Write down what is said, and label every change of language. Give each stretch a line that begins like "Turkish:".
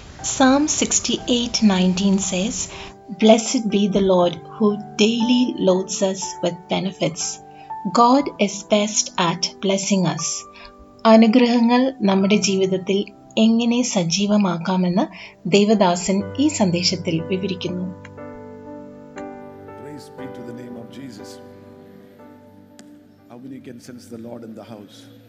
English: Psalm 68:19 says, "Blessed be the Lord who daily loads us with benefits." God is best at blessing us.
Malayalam: അനുഗ്രഹങ്ങൾ നമ്മുടെ ജീവിതത്തിൽ എങ്ങനെ സജീവമാക്കാമെന്ന് ദേവദാസൻ ഈ സന്ദേശത്തിൽ വിവരിക്കുന്നു.
English: Praise be to the name of Jesus. How many can sense the Lord in the house?